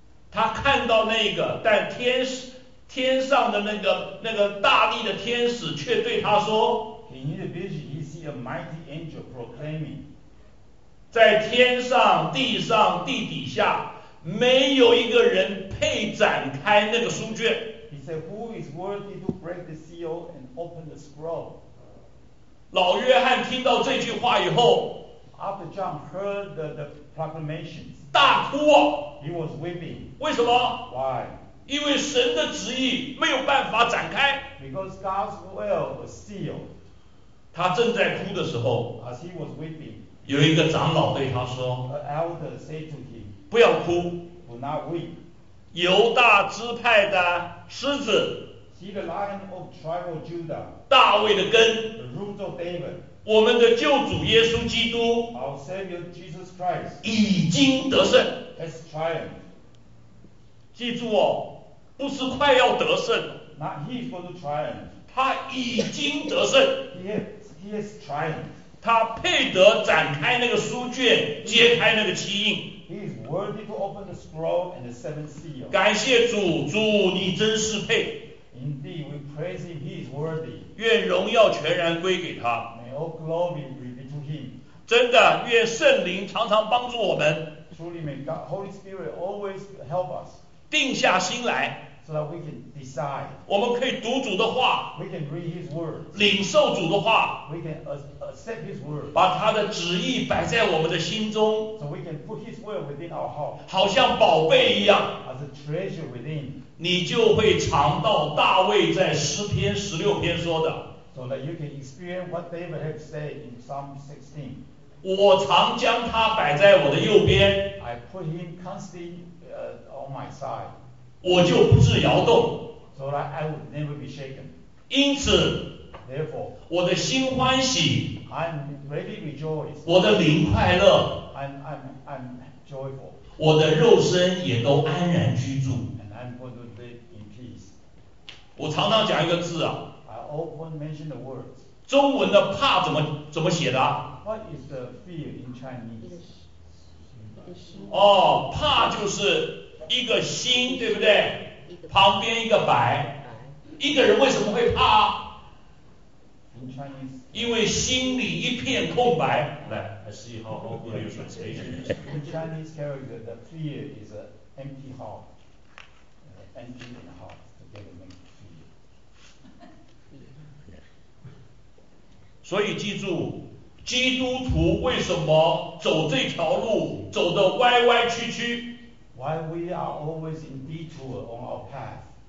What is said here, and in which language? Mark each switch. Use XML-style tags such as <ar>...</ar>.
<zh>他看到那个，但天使天上的那个大力的天使却对他说，</zh> <en>In his vision, he see a mighty angel proclaiming，</en> <zh>在天上、地上、地底下，没有一个人配展开那个书卷。</zh> <en>He said, Who is worthy to break the seal and open the scroll？</en> <zh>老约翰听到这句话以后，</zh> <en>After John heard the proclamations，</en> <zh>大哭啊！</zh> <en>He was weeping。</en> <zh>为什么？</zh> <en>Why？</en> <zh>因为神的旨意没有办法展开。</zh> <en>Because God's will was sealed。</en> <zh>他正在哭的时候，</zh> <en>As he was weeping，</en> <zh>有一个长老对他说，</zh> <en>An elder said to him，</en> <zh>不要哭。</zh> <en>Do not weep。</en> <zh>犹大支派的狮子，</zh> <en>See the lion of tribal Judah，</en> <zh>大卫的根，</zh> <en>The root of David，</en> <zh>我们的救主耶稣基督，</zh> <en>Our Savior Jesus Christ，</en> <zh>已经得胜。</zh> <en>Has triumphed。</en> <zh>记住哦，不是快要得胜，</zh> <en>Not he is going to triumph，</en> <zh>他已经得胜。</zh> <en>he has triumphed，</en> <zh>他配得展开那个书卷，揭开那个七印。</zh> <en>He is worthy to open the scroll and the seven seal。</en> <zh>感谢主，主你真是配。</zh> <en>Indeed we praise him, he is worthy。</en> <zh>愿荣耀全然归给他。</zh> <en>May all glory be to him。</en> <zh>真的，愿圣灵常常帮助我们。</zh> <en>Truly may God, Holy Spirit always help us。</en> <zh>定下心来，</zh> <en>so that we can decide，</en> <zh>我们可以读主的话，</zh> <en>we can read his words，</en> <zh>领受主的话，</zh> <en>we can accept his words，</en> <zh>把他的旨意摆在我们的心中，</zh> <en>so we can put his will within our heart，</en> <zh>好像宝贝一样，</zh> <en>as a treasure within，</en> <zh>你就会尝到大卫在诗篇十六篇说的，</zh> <en>so that you can experience what David has said in Psalm 16，</en> <zh>我常将他摆在我的右边，</zh> <en>I put him constantly on my side，</en> <zh>我就不致摇动。</zh> <en>So that I would never be shaken。</en> <zh>因此，</zh> <en>therefore，</en> <zh>我的心欢喜，</zh> <en>I'm ready to rejoice，</en> <zh>我的灵快乐，</zh> <en>I'm joyful，</en> <zh>我的肉身也都安然居住，</zh> <en>and I'm going to live in peace。</en> <zh>我常常讲一个字啊，</zh> <en>I often mention the words。</en> <zh>中文的怕怎么写的？</zh> <en>What is the fear in Chinese？</en> <zh>哦，怕就是一个心，对不对？旁边一个白，一个人为什么会怕？</zh> <en>In Chinese，</en> <zh>因为心里一片空白。来</zh> <en>，I see how all good you are saying。 In Chinese character, the fear is an empty heart，empty in the heart to get the main fear。</en> <zh>所以记住。基督徒为什么走这条路走得歪歪曲曲？</zh> <en>Why we are always in detour on our path？</en>